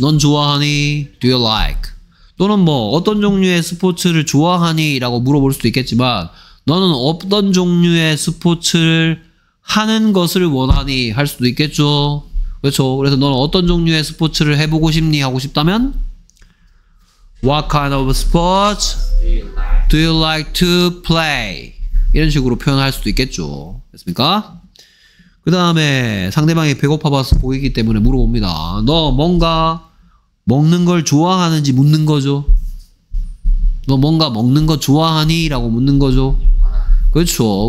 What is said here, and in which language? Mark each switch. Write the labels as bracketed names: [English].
[Korean] 넌 좋아하니? [English] Do you like? [Korean] 또는 뭐 어떤 종류의 스포츠를 좋아하니? 라고 물어볼 수도 있겠지만 너는 어떤 종류의 스포츠를 하는 것을 원하니? 할 수도 있겠죠. 그렇죠. 그래서 너는 어떤 종류의 스포츠를 해보고 싶니? 하고 싶다면 [English] What kind of sports do you like to play? [Korean] 이런 식으로 표현할 수도 있겠죠. 됐습니까? 그 다음에 상대방이 배고파 봐서 보이기 때문에 물어봅니다. 너 뭔가 먹는 걸 좋아하는지 묻는 거죠. 너 뭔가 먹는 거 좋아하니? 라고 묻는 거죠. 그렇죠.